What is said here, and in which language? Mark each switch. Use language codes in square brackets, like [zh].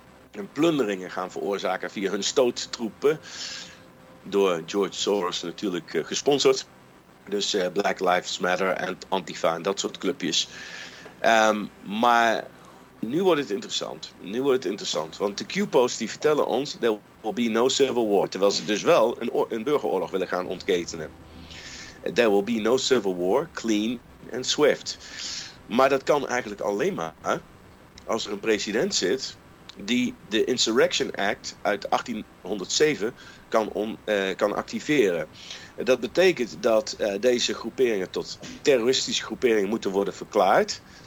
[nl] En plunderingen gaan veroorzaken via hun stoottroepen. Door George Soros natuurlijk gesponsord. Dus Black Lives Matter en Antifa en dat soort clubjes. Maar nu wordt het interessant. Nu wordt het interessant. Want de Q-posts die vertellen ons, [en] there will be no civil war. [nl] Terwijl ze dus wel een burgeroorlog willen gaan ontketenen. [en] There will be no civil war, clean and swift. [nl] Maar dat kan eigenlijk alleen maar als er een president zit die de Insurrection Act uit 1807 kan activeren. Dat betekent dat deze groeperingen tot terroristische groeperingen moeten worden verklaard.